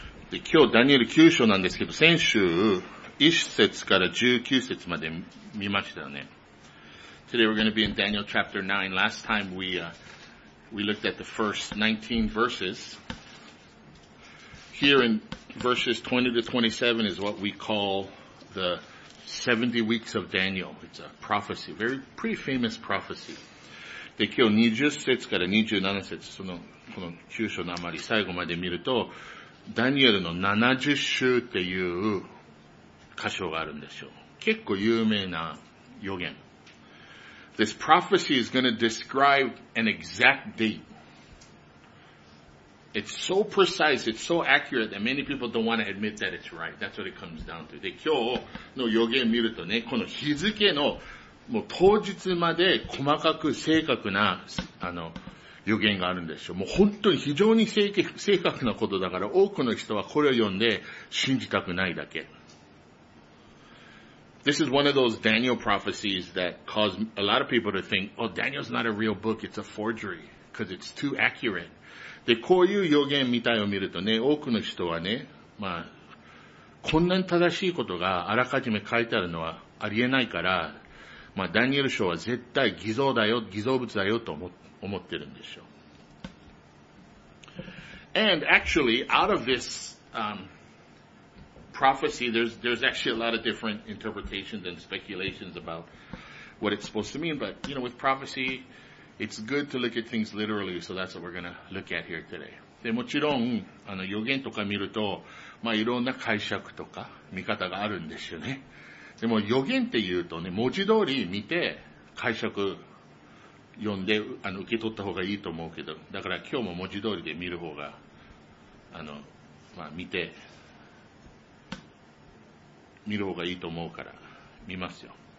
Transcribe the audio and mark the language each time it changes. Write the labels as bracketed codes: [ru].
[ja] で今日ダニエル9章なんですけど、先週1節から19節まで見ましたよね。 [en] Today we're going to be in Daniel chapter 9. Last time we looked at the first 19 verses. Here in verses 20 to 27 is what we call the 70 weeks of Daniel. It's a prophecy, very pretty famous prophecy. [ja] で、今日20節から27節、この9章のあまり最後まで見ると、ダニエルの70週っていう箇所があるんですよ。結構有名な予言。 [en] This prophecy is going to describe an exact date. It's so precise, it's so accurate that many people don't want to admit that it's right. That's what it comes down to. [ja] で、今日の予言見るとね、この日付のもう当日まで細かく正確な、予言があるんですよ。もう本当に非常に正確なことだから、多くの人はこれを読んで信じたくないだけ。 [en] This is one of those Daniel prophecies that caused a lot of people to think, oh, Daniel's not a real book, it's a forgery, because it's too accurate. [ja] で、こういう予言みたいを見るとね、多くの人はね、まあ、こんなに正しいことがあらかじめ書いてあるのはありえないから、まあ、ダニエル書は絶対偽造だよ、偽造物だよと思ってるんでしょう。 [en] And actually, out of this, prophecy, there's actually a lot of different interpretations and speculations about what it's supposed to mean, but, you know, with prophecy, it's good to look at things literally, so that's what we're gonna look at here today. [ja] で、もちろん、予言とか見ると、まあ、いろんな解釈とか見方があるんですよね。でも予言って言うとね、文字通り見て解釈読んで受け取った方がいいと思うけど、だから今日も文字通りで見る方が、まあ、見る方がいいと思うから、見ますよ。